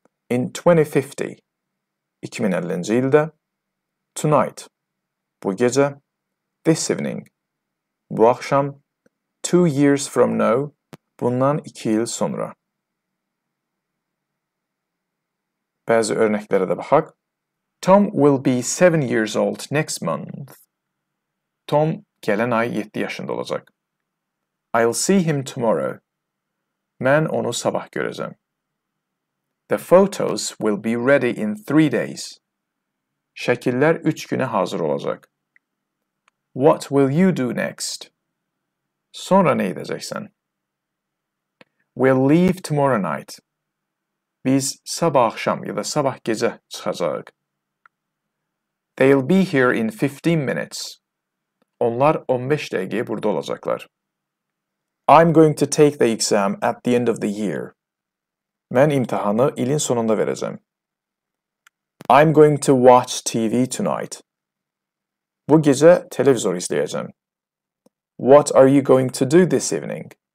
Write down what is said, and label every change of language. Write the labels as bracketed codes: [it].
[en] In 2050, [az] 2050-ci ildə. Tonight, bu gecə. [en] This evening, [az] bu axşam. [en] 2 years from now, [az] bundan 2 il sonra. Bəzi örnəklərə də baxaq. [en] Tom will be 7 years old next month. [az] Tom gələn ay 7 yaşında olacaq. [en] I'll see him tomorrow. [az] Mən onu sabah görəcəm. [en] The photos will be ready in 3 days. [az] Şəkillər 3 günə hazır olacaq. [en] What will you do next? [az] Sonra nə edəcəksən? [en] We'll leave tomorrow night. [az] Biz sabah axşam ya da sabah gecə çıxacaq. [en] They'll be here in 15 minutes. [az] Onlar 15 dəqiqəyə burada olacaqlar. [en] I'm going to take the exam at the end of the year. [az] Mən imtihanı ilin sonunda verəcəm. [en] I'm going to watch TV tonight. [az] Bu gecə televizor izləyəcəm. [en] What are you going to do this evening?